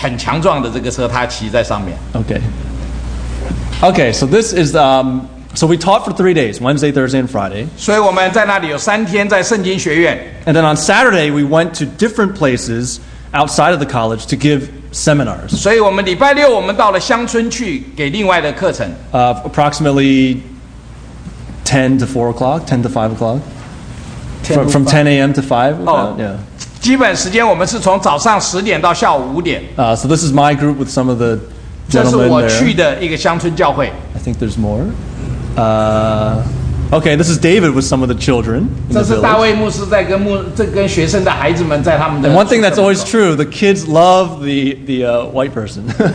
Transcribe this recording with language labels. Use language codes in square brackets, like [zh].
[zh] 这个脚踏车，大卫牧师有试过很强壮的这个车，他骑在上面。 [en] Okay. Okay. So this is So we taught for 3 days, Wednesday, Thursday, and Friday. [zh] 所以我们在那里有三天在圣经学院。 [en] And then on Saturday, we went to different places outside of the college to give seminars. [zh] 所以我们礼拜六我们到了乡村去给另外的课程。 [en] Approximately 10 to 4 o'clock, 10 to 5 o'clock. From 10 a.m. to 5 o'clock, yeah. [zh] 基本时间我们是从早上10点到下午5点。 [en] So this is my group with some of the gentlemen there. [zh] 这是我去的一个乡村教会。 [en] I think there's more. Okay, this is David with some of the children. And one thing that's always true, the kids love the white person.